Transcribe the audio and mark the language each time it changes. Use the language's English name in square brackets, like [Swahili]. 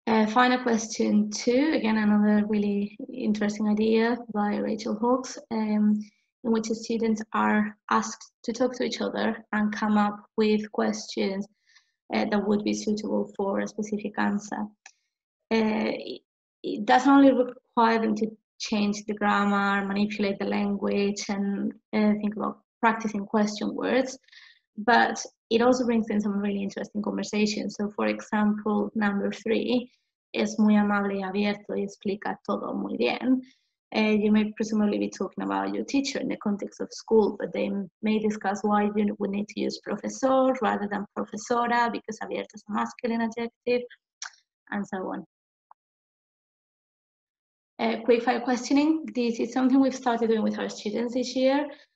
[English] Final question two, again, another really interesting idea by Rachel Hawkes, in which the students are asked to talk to each other and come up with questions that would be suitable for a specific answer. It doesn't only require them to change the grammar, manipulate the language, and think about practicing question words, but it also brings in some really interesting conversations. So for example, number three, [Spanish] es muy amable y abierto y explica todo muy bien. [English] You may presumably be talking about your teacher in the context of school, but they may discuss why you would need to use profesor rather than profesora, because abierto is a masculine adjective, and so on. Quick fire questioning. This is something we've started doing with our students this year.